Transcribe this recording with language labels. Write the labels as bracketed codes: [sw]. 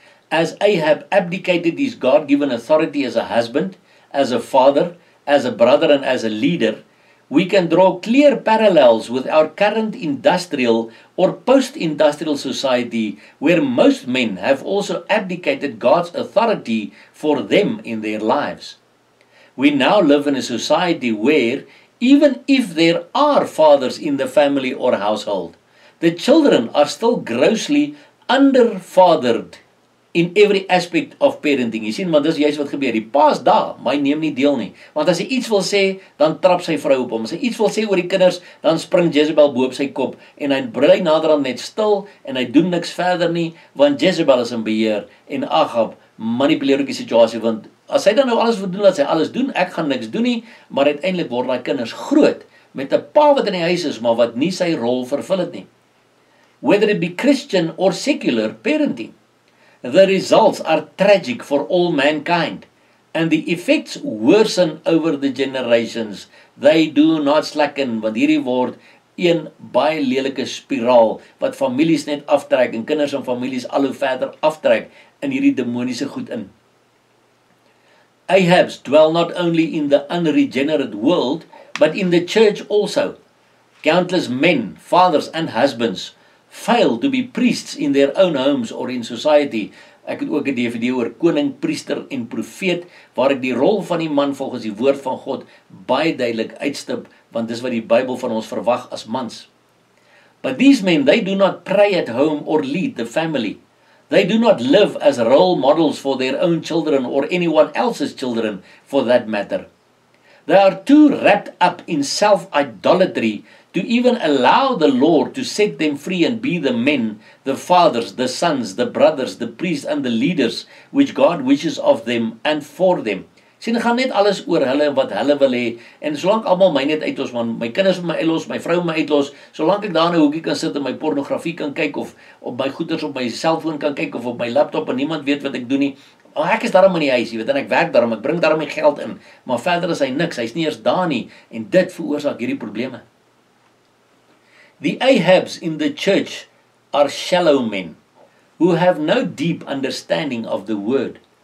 [en] As Ahab abdicated his God-given authority as a husband, as a father, as a brother and as a leader, we can draw clear parallels with our current industrial or post-industrial society where most men have also abdicated God's authority for them in their lives. We now live in a society where, even if there are fathers in the family or household, the children are still grossly under-fathered in every aspect of parenting. [af] Jy sien, want dis juist wat gebeur. Die pa is daar, maar hy neem nie deel nie. Want as hy iets wil sê, dan trap sy vrou op hom. As hy iets wil sê oor die kinders, dan spring Jezebel boop sy kop. En hy bly naderhand net stil, en hy doen niks verder nie, want Jezebel is in beheer. En Agab manipuleer ook die situasie, want as hy dan nou alles wil doen, dat sy alles doen, ek gaan niks doen nie, maar uiteindelik word die kinders groot, met 'n pa wat in die huis is, maar wat nie sy rol vervul het nie. [en] Whether it be Christian or secular parenting, the results are tragic for all mankind, and the effects worsen over the generations. They do not slacken, [af] want hierdie word een baie lelike spiraal, wat families net aftrek, en kinders en families al hoe verder aftrek, in hierdie demoniese goed in. [en] Ahabs dwell not only in the unregenerate world, but in the church also. Countless men, fathers and husbands, fail to be priests in their own homes or in society. [af] Ek het ook 'n DVD oor koning, priester en profeet, waar ek die rol van die man volgens die woord van God baie duidelik uitstip, want dis wat die Bybel van ons verwag as mans. [en] But these men, they do not pray at home or lead the family. They do not live as role models for their own children or anyone else's children for that matter. They are too wrapped up in self-idolatry to even allow the Lord to set them free and be the men, the fathers, the sons, the brothers, the priests and the leaders which God wishes of them and for them. [af] Sien, gaan net alles oor hulle en wat hulle wil hê, en solank almal my net uitlos, man, my kinders my uitlos, my vrou my uitlos, solank ek daar in 'n hoekie kan sit en my pornografie kan kyk of op my goeders op my selfoon kan kyk of op my laptop en niemand weet wat ek doen nie. Maar ek is daarom in die huis, jy weet, en ek werk daarom, ek bring daarom my geld in, maar verder is hy niks, hy is nie eers daar nie, en dit veroorsaak hierdie probleme. [en] The Ahabs in the church are shallow men who have no deep understanding of the word.